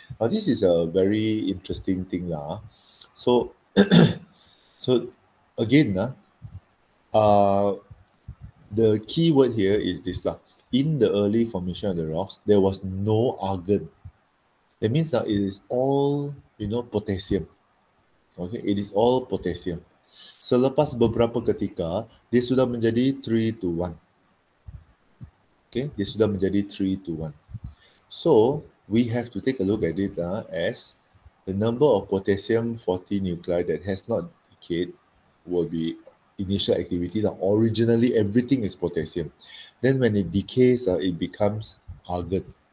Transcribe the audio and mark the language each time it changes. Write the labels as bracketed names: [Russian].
[English] Now, this is a very interesting thing. So, so again, the key word here is this. In the early formation of the rocks, there was no argon. That means it is all, you know, potassium. Okay, it is all potassium. [Malay] Selepas beberapa ketika, dia sudah menjadi 3:1. Okay, dia sudah menjadi 3:1. [English] So, we have to take a look at it as the number of potassium-40 nuclei that has not decayed will be initial activity. Originally, everything is potassium. Then when it decays, it becomes argon.